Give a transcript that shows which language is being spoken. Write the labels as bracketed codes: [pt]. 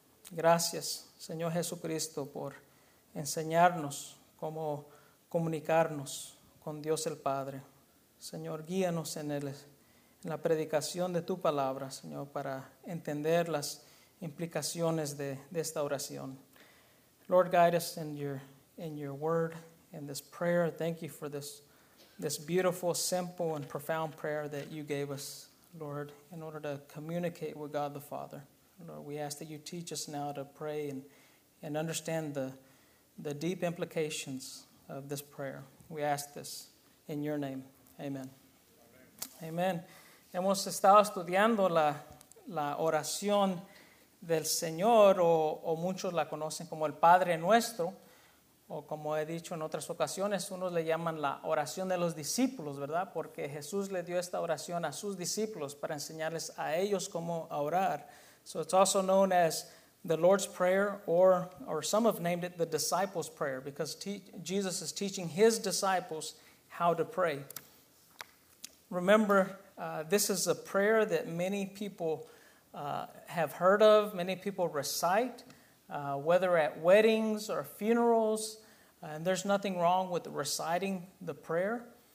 [es] Gracias, Señor Jesucristo, por enseñarnos cómo comunicarnos con Dios el Padre. Señor, guíanos en la predicación de tu palabra, Señor, para entender las implicaciones de esta oración. [en] Lord, guide us in your word in this prayer. Thank you for this beautiful, simple, and profound prayer that you gave us, Lord, in order to communicate with God the Father. Lord, we ask that you teach us now to pray and understand the deep implications of this prayer. We ask this in your name. Amen. Amen. [es] Hemos estado estudiando la oración del Señor, o muchos la conocen como el Padre Nuestro, o como he dicho en otras ocasiones, unos le llaman la oración de los discípulos, ¿verdad? Porque Jesús le dio esta oración a sus discípulos para enseñarles a ellos cómo orar. [en] So it's also known as the Lord's Prayer, or some have named it the Disciples' Prayer, because Jesus is teaching his disciples how to pray. Remember, this is a prayer that many people have heard of, many people recite, whether at weddings or funerals, and there's nothing wrong with reciting the prayer.